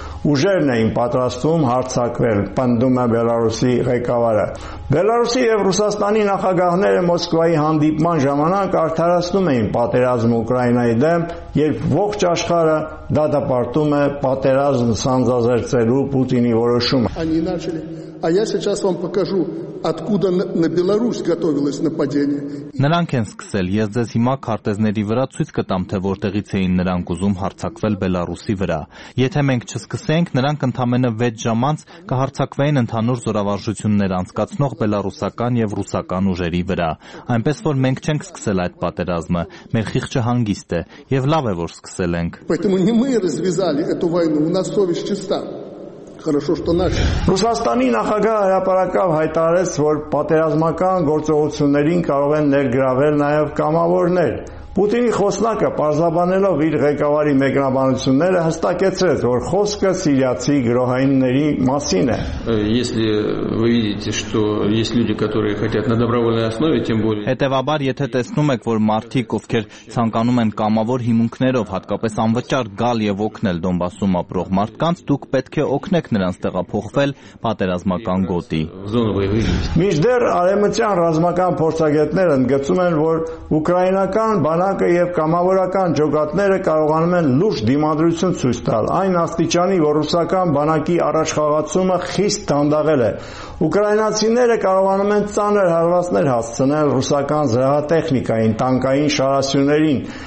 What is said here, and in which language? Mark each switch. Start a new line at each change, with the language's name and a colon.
Armenian: ուժերն էին պատրաստվում հարձակվել, պնդում է Բելարուսի ղեկավարը։ Բելարուսի և Ռուսաստանի նախագահները Մոսկվայի հանդիպման ժամանակ արդարացնում էին պատերազմ Ուկրաինայի դեմ, երբ ողջ աշխարհը դատապարտում է պատերազմ սանձազերծելու Պուտինի որոշումը։
Russian: А я сейчас вам покажу, откуда на Беларусь готовилось нападение.
Armenian: Նրանք են սկսել, ես ձեզ հիմա քարտեզների վրա ցույց կտամ, թե որտեղից էին նրանք ուզում հարձակվել Բելարուսի վրա։ Եթե մենք չսկսենք, նրանք ընդամենը 6 ժամ անց կհարձակվեն ընդհանուր զորավարժություններ անցկացնող բելարուսական եւ ռուսական ուժերի վրա։ Այնպես որ մենք չենք սկսել այդ պատերազմը, մեր խիղճը հանգիստ է եւ լավ է որ սկսել ենք։
Russian: Поэтому не мы развязали эту войну, у нас совесть чиста. Хорошо, что начали.
Armenian: Ռուսաստանի նախագահ հրապարակավ հայտարարեց, որ պատերազմական գործողություններին կարող են ներգրավել նաև կամավորներ։ Պուտինի խոսնակը, պարզաբանելով իր ղեկավարի մեկնաբանությունները, հստակեցրեց, որ խոսքը սիրիացի գրոհայինների մասին է։
Russian: Если вы видите, что есть люди, которые хотят на добровольной основе, тем более.
Armenian: Հետևաբար, եթե տեսնում եք, որ մարդիկ, ովքեր ցանկանում են կամավոր հիմունքներով հատկապես անվճար գալ եւ օգնել Դոնբասում ապրող մարդկանց, դուք պետք է օգնեք նրանց տեղափոխվել պատերազմական գոտի։ Միջդեռ արևմտյան ռազմական փորձագետները ընդգծում են, որ ուկրաինական բանակը և կամավորական ջոկատները կարողանում են լուրջ դիմադրություն ցույց տալ, այն աստիճանի, որ ռուսական բանակի առաջխաղացումը խիստ դանդաղել է։ Ուկրաինացիները կարողանում են ծանր հարվածներ հասցնել ռուսական զրահատեխնիկային, տանկային շարասյուներին,